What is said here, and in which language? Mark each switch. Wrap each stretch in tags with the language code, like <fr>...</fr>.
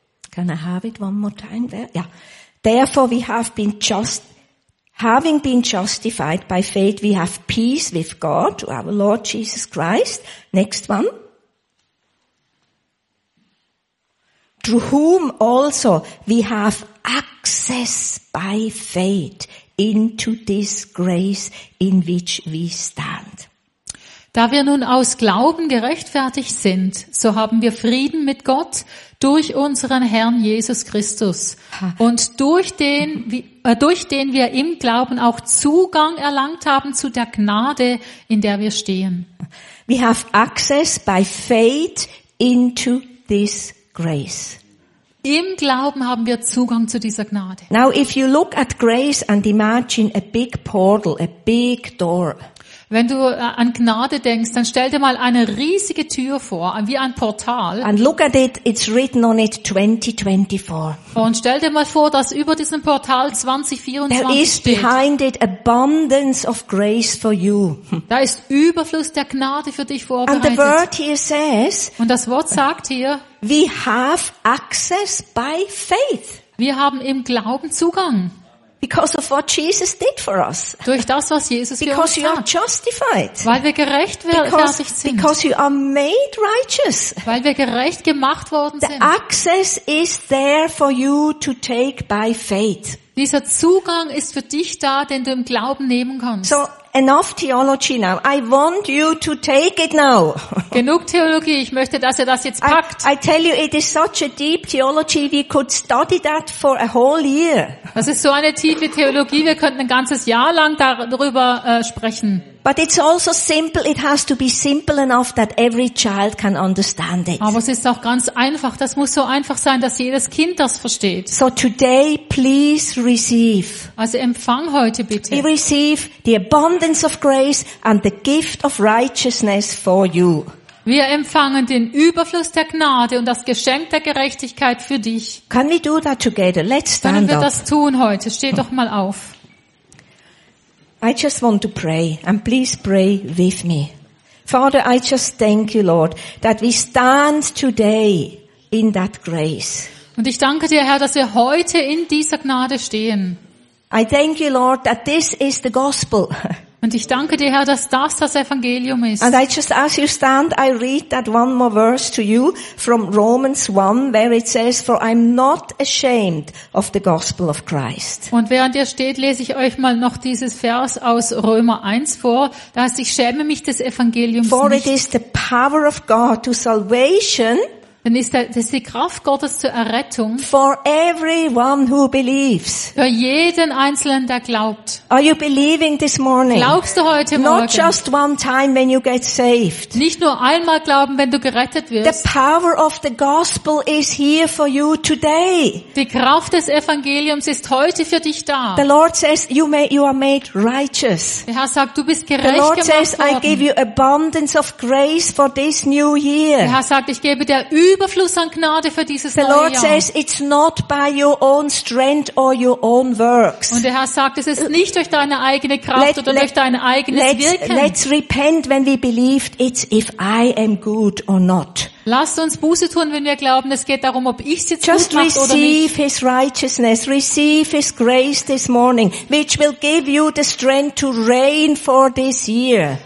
<en>Can I have it one more time there? Yeah. Therefore we have been just, having been justified by faith, we have peace with God, our Lord Jesus Christ. Next one. Through whom also we have access by faith into this grace in which we stand.</en> <de>Da wir nun aus Glauben gerechtfertigt sind, so haben wir Frieden mit Gott durch unseren Herrn Jesus Christus. Und durch den wir im Glauben auch Zugang erlangt haben zu der Gnade, in der wir stehen.</de> <en>We have access by faith into this grace.</en> <de>Im Glauben haben wir Zugang zu dieser Gnade.</de> <en>Now if you look at grace and imagine a big portal, a big door.</en> <de>Wenn du an Gnade denkst, dann stell dir mal eine riesige Tür vor, wie ein Portal.</de> <en>And look at it, it's written on it 2024.</en> <de>Und stell dir mal vor, dass über diesem Portal 2024</de> <en>there is</en> <de>steht.</de> <en>Behind it abundance of grace for you.</en> <de>Da ist Überfluss der Gnade für dich vorbereitet.</de> <en>And the word here says,</en> <de>und das Wort sagt hier,</de> <en>we have access by faith.</en> <de>Wir haben im Glauben Zugang.</de> <en>Because of what Jesus did for us.</en> <de>Durch das, was Jesus für uns</de> <en>you are justified.</en> <de>Weil wir gerechtfertigt sind.</de> <en>Because you are made righteous.</en> <de>Weil wir gerecht gemacht worden sind.</de> <en>The access is there for you to take by faith.</en> <de>Dieser Zugang ist für dich da, den du im Glauben nehmen kannst.</de> <en>So enough theology now. I want you to take it now.</en> <de>Genug Theologie. Ich möchte, dass ihr das jetzt packt.</de> <en>I tell you, it is such a deep theology. We could study that for a whole year.</en> <de>Das ist so eine tiefe Theologie. Wir könnten ein ganzes Jahr lang darüber sprechen.</de> <en>But it's also simple. It has to be simple enough that every child can understand it.</en> <de>Aber es ist auch ganz einfach. Das muss so einfach sein, dass jedes Kind das versteht.</de> <en>So today, please receive.</en> <de>Also empfang heute bitte.</de> <en>We receive the abundance of grace and the gift of righteousness for you.</en> <de>Wir empfangen den Überfluss der Gnade und das Geschenk der Gerechtigkeit für dich.</de> <en>Can we do that together? Let's stand up.</en> <de>Können wir das tun heute? Steh doch mal auf.</de> <en>I just want to pray, and please pray with me. Father, I just thank you, Lord, that we stand today in that grace.</en> <de>Und ich danke dir, Herr, dass wir heute in dieser Gnade stehen.</de> <en>I thank you, Lord, that this is the gospel.</en> <de>Und ich danke dir, Herr, dass das Evangelium ist.</de> <en>And I just, as you stand, I read that one more verse to you from Romans 1, where it says, "For I'm not ashamed of the gospel of Christ."</en> <de>Und während ihr steht, lese ich euch mal noch dieses Vers aus Römer 1 vor. Da heißt, ich schäme mich des Evangeliums</de> <en>For</en> <de>nicht.</de> <en>For it is the power of God to salvation.</en> <de>Dann ist das die Kraft Gottes zur Errettung.</de> <en>For everyone who believes.</en> <de>Für jeden Einzelnen, der glaubt.</de> <en>Are you believing this morning?</en> <de>Glaubst du heute</de> <en>Not</en> <de>Morgen?</de> <en>Not just one time when you get saved.</en> <de>Nicht nur einmal glauben, wenn du gerettet wirst.</de> <en>The power of the gospel is here for you today.</en> <de>Die Kraft des Evangeliums ist heute für dich da.</de> <en>The Lord says you are made righteous.</en> <de>Der Herr sagt, du bist gerecht gemacht worden.</de> <en>The Lord says I give you abundance of grace for this new year.</en> <de>Der Herr sagt, ich gebe dir Überfluss an Gnade für dieses</de> <en>The</en> <de>neue</de> <en>Lord</en> <de>Jahr.</de> <en>Says it's not by your own strength or your own works.</en> <de>Und der Herr sagt, es ist nicht durch deine eigene Kraft oder durch dein eigenes Wirken.</de> <en>Let's repent when we believe it's if I am good or not.</en> <de>Lasst uns Buße tun, wenn wir glauben, es geht darum, ob ich es jetzt</de> <en>Just</en> <de>gut mache oder nicht.</de> <en>Just receive his righteousness, receive his grace this morning, which will give you the strength to reign for this year.</en>